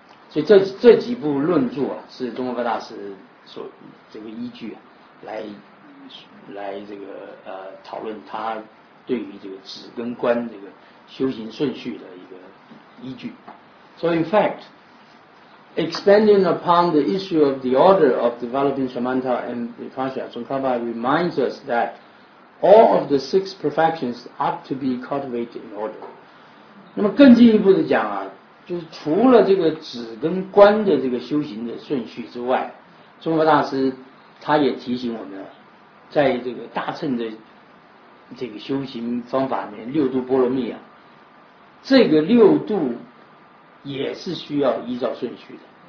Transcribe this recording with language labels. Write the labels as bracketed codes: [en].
[zh] 所以这几部论著啊，是宗喀巴大师所这个依据啊来这个讨论他对于这个止跟观这个修行顺序的一个依据。 [en] So in fact, expanding upon the issue of the order of developing shamatha and vipassana, Tsongkhapa reminds us that all of the six perfections ought to be cultivated in order. [zh] 那么更进一步的讲啊，就是除了这个止跟观的这个修行的顺序之外，宗喀巴大师他也提醒我们了，在这个大乘的这个修行方法里面，六度波罗蜜啊，这个六度也是需要依照顺序的，